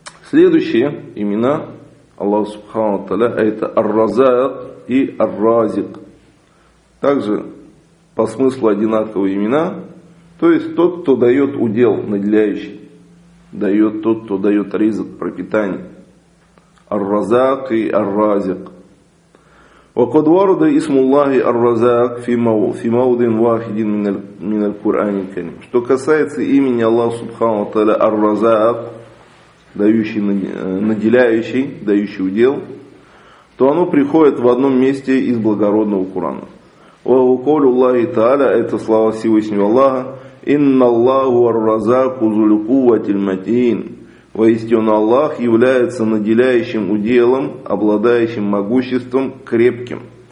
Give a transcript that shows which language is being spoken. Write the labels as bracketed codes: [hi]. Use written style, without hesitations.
[ru] Следующие имена Аллаха Субхану Таля, это Ар-Разак и Ар-Разик. Также по смыслу одинаковые имена, то есть тот, кто дает удел, наделяющий, дает тот, кто дает ризок, пропитание. Ар-Разак и Ар-Разик. [ar] وقد ورد اسم الله الرزاق في موضع واحد من القرآن الكريم. [ru] Что касается имени Аллаха Субхану Таля Ар-Разак, наделяющий, дающий удел, то оно приходит в одном месте из благородного Корана. [ar] وَقَالُوا اللَّهِ تَعَالَى [ru] это слова Всевышнего Аллаха [ar] إِنَّ اللَّهُ الرَّزَاقُ ذُو الْقُوَّةِ الْمَتِينِ [ru] Воистину Аллах является наделяющим уделом, обладающим могуществом крепким.